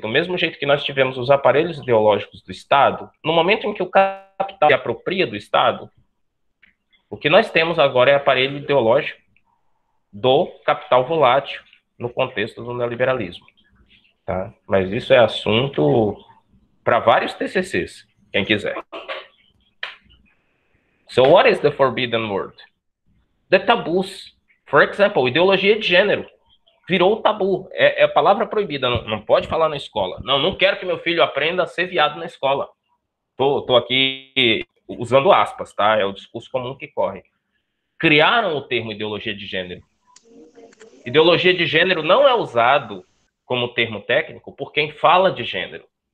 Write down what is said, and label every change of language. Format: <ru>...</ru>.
<pt>Do mesmo jeito que nós tivemos os aparelhos ideológicos do Estado, no momento em que o capital se apropria do Estado, o que nós temos agora é aparelho ideológico do capital volátil no contexto do neoliberalismo. Tá? Mas isso é assunto para vários TCCs, quem quiser.</pt> <en>So what is the forbidden word? The taboos. For example,</en> <pt>ideologia de gênero virou tabu. É a palavra proibida, não pode falar na escola. Não quero que meu filho aprenda a ser viado na escola. Tô aqui usando aspas, tá? É o discurso comum que corre. Criaram o termo ideologia de gênero. Ideologia de gênero não é usado como termo técnico por quem fala de gênero.</pt>